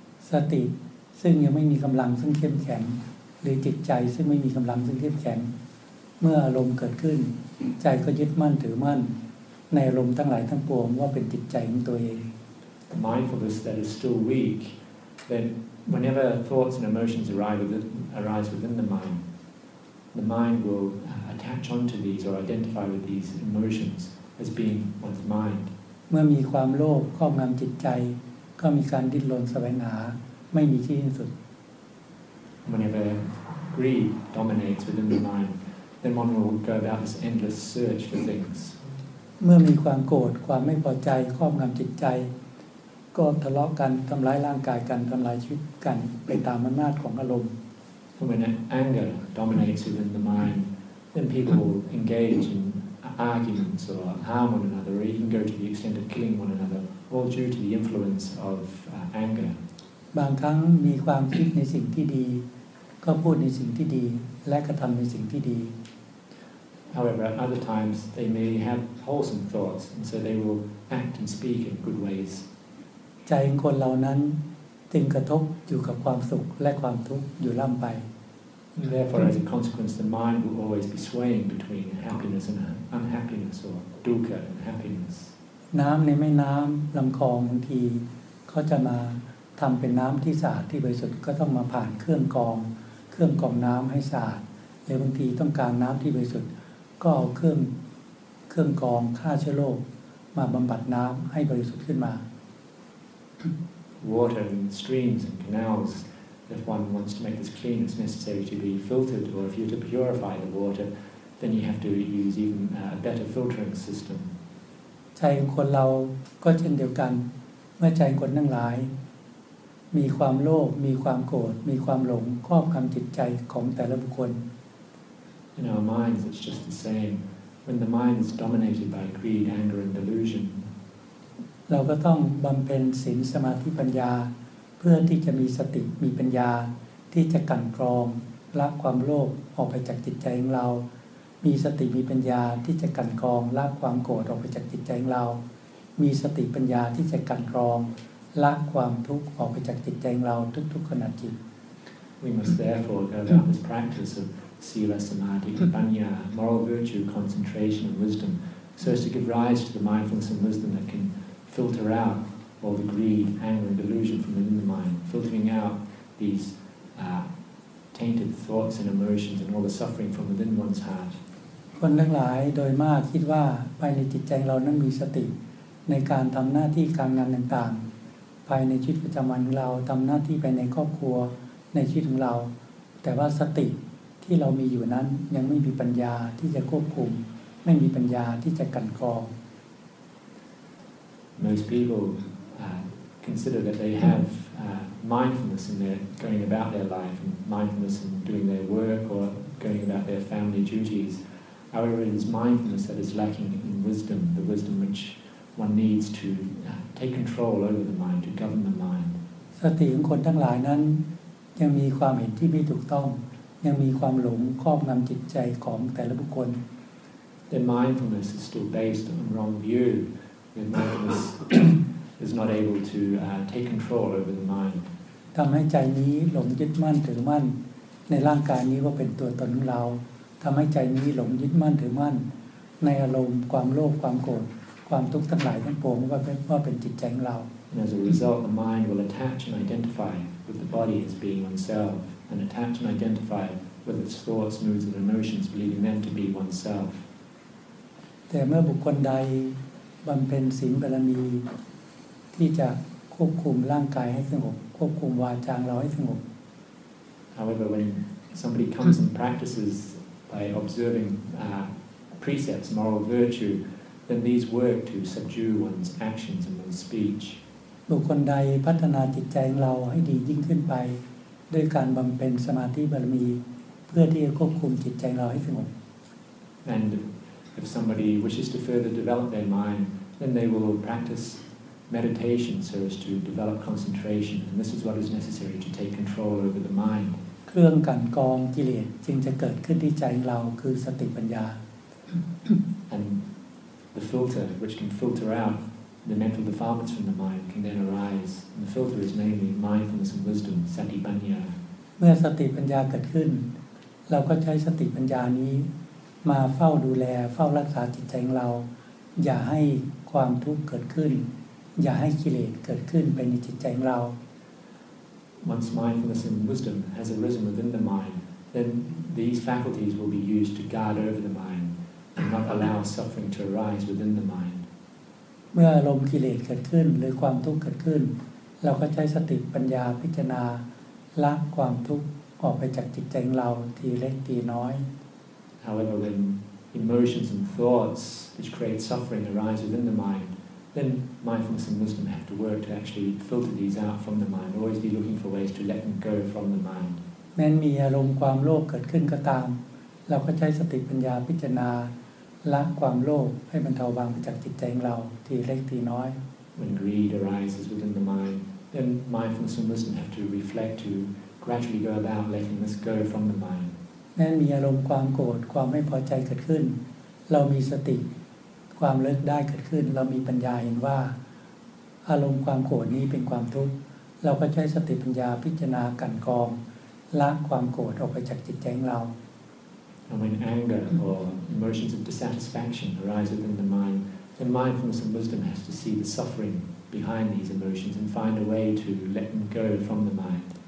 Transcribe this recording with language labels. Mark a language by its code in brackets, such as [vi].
[th] สติซึ่งยังไม่มีกำลังซึ่งเข้มแข็งหรือจิตใจซึ่งไม่มีกำลังซึ่งเข้มแข็งเมื่ออารมณ์เกิดขึ้นใจก็ยึดมั่นถือมั่นในอารมณ์ทั้งหลายทั้งปวงว่าเป็นจิตใจของตัวเอง [en] Mindfulness that is still weak, then whenever thoughts and emotions arise within the mind will attach onto these or identify with these emotions as being one's mind. [th] เมื่อมีความโลภครอบงำจิตใจก็มีการดิ้นรนแสวงหาไม่มีที่สิ้นสุด [en] Whenever greed dominates within the mind, then one will go about this endless search for things. [th] เมื่อมีความโกรธความไม่พอใจครอบงำจิตใจก็ทะเลาะกันทำร้ายร่างกายกันทำลายชีวิตกันไปตามอำนาจของอารมณ์ [en] When anger dominates within the mind, then people engage in arguments or harm one another, or even go to the extent of killing one another. All due to the influence of anger. [th] บางครั้งมีความคิดในสิ่งที่ดีก็พูดในสิ่งที่ดีและกระทำในสิ่งที่ดี [en] However, at other times they may have wholesome thoughts, and so they will act and speak in good ways. [th] ใจคนเหล่านั้นจึงกระทบอยู่กับความสุขและความทุกข์อยู่ล่ำไป [en] Therefore, as a consequence, the mind will always be swaying between happiness and unhappiness, or dukkha and happiness. [th] น้ำในแม่น้ำลำคลองบางทีเขาจะมาทำเป็นน้ำที่สะอาดที่บริสุทธิ์ก็ต้องมาผ่านเครื่องกรองเครื่องกรองน้ำให้สะอาดแล้วบางทีต้องการน้ำที่บริสุทธิ์ก็เอาเครื่องกรองฆ่าเชื้อโรคมาบำบัดน้ำให้บริสุทธิ์ขึ้นมา [en] Water and streams and canals, if one wants to make this clean, it's necessary to be filtered, or if you're to purify the water, then you have to use even a better filtering system. [th] ใจคนเราก็เช่นเดียวกันเมื่อใจคนทั้งหลายมีความโลภมีความโกรธมีความหลงครอบงำจิตใจของแต่ละบุคคล [en] In our minds it's just the same when the mind is dominated by greed anger and delusion [th] เราก็ต้องบำเพ็ญศีลสมาธิปัญญาเพื่อที่จะมีสติมีปัญญาที่จะกั้นกรองละความโลภออกไปจากจิตใจของเรามีสติมีปัญญาที่จะกั้นกรองละความโกรธออกไปจากจิตใจของเรามีสติปัญญาที่จะกั้นกรองละความทุกข์ออกไปจากจิตใจของเราทุกๆขณะจิต [en] We must therefore go down this practice of sila samadhi panya moral virtue concentration and wisdom so as to give rise to the mindfulness and wisdom that can filter out all the greed anger and delusion from within the mind filtering out these tainted thoughts and emotions and all the suffering from within one's heart [th] คนทั้งหลายโดยมากคิดว่าภายในจิตใจเรานั้นมีสติในการทำหน้าที่การงานต่างๆภายในชีวิตประจำวันของเราทำหน้าที่ไปในครอบครัวในชีวิตของเราแต่ว่าสติที่เรามีอยู่นั้นยังไม่มีปัญญาที่จะควบคุมไม่มีปัญญาที่จะกั้นกรอง [en] Most people consider that they have mindfulness in their going about their life and mindfulness in doing their work or going about their family duties. However, it is mindfulness that is lacking in wisdom, the wisdom whichOne needs to take control over the mind to govern the mind. [th] สติของคนทั้งหลายนั้นยังมีความเห็นที่ไม่ถูกต้องยังมีความหลงครอบงำจิตใจของแต่ละบุคคล [en] Their mindfulness is still based on wrong view. Their mindfulness is not able to take control over the mind. [th] ทำให้ใจนี้หลงยึดมั่นถือมั่นในร่างกายนี้ว่าเป็นตัวตนของเราทำให้ใจนี้หลงยึดมั่นถือมั่นในอารมณ์ความโลภความโกรธความทุกข์ทั้งหลายทั้งปวงว่าเป็นจิตใจของเรา [en] And as a result, the mind will attach and identify with the body as being oneself, and attach and identify with its thoughts, moods, and emotions, believing them to be oneself. [th] แต่เมื่อบุคคลใดบำเพ็ญศีลบารมีที่จะควบคุมร่างกายให้สงบควบคุมวาจาเราให้สงบ [en] However, when somebody comes and practices by observing precepts, moral virtue,Then these work to subdue one's actions and one's speech. [th] บุคคลใดพัฒนาจิตใจของเราให้ดียิ่งขึ้นไปด้วยการบำเพ็ญสมาธิบารมีเพื่อที่จะควบคุมจิตใจเราให้สงบ [en] And if somebody wishes to further develop their mind, then they will practice meditation so as to develop concentration. And this is what is necessary to take control over the mind. [th] เครื่องกั้นกองกิเลสจึงจะเกิดขึ้นที่ใจเราคือสติปัญญา [en] AndThe filter, which can filter out the mental defilements from the mind, can then arise. And the filter is namely mindfulness and wisdom, sati panya. [th] เมื่อสติปัญญาเกิดขึ้นเราก็ใช้สติปัญญานี้มาเฝ้าดูแลเฝ้ารักษาจิตใจของเราอย่าให้ความทุกข์เกิดขึ้นอย่าให้กิเลสเกิดขึ้นไปในจิตใจของเรา [en] Once mindfulness and wisdom has arisen within the mind, then these faculties will be used to guard over the mind. And not allow suffering to arise within the mind. [th] เมื่ออารมณ์กิเลสเกิดขึ้นหรือความทุกข์เกิดขึ้นเราก็ใช้สติปัญญาพิจารณาละความทุกข์ออกไปจากจิตใจของเราทีเล็กทีน้อย [en] However, when emotions and thoughts which create suffering arise within the mind, then mindfulness and wisdom have to work to actually filter these out from the mind. Always be looking for ways to let them go from the mind. [th] แม้มีอารมณ์ความโลภเกิดขึ้นก็ตามเราก็ใช้สติปัญญาพิจารณาละความโลภให้มันเบาบางไปจากจิตใจของเราทีเล็กทีน้อย [en] When greed arises within the mind, then mindfulness and wisdom have to reflect to gradually go about letting this go from the mind. [th] นั้นมีอารมณ์ความโกรธความไม่พอใจเกิดขึ้นเรามีสติความเลิกได้เกิดขึ้นเรามีปัญญาเห็นว่าอารมณ์ความโกรธนี้เป็นความทุกข์เราก็ใช้สติปัญญาพิจารณากั้นกรอง ละความโกรธออกไปจากจิตใจของเรา [en] And when anger or emotions of dissatisfaction arise within the mind, the mindfulness and wisdom has to see the suffering behind these emotions and find a way to let them go from the mind.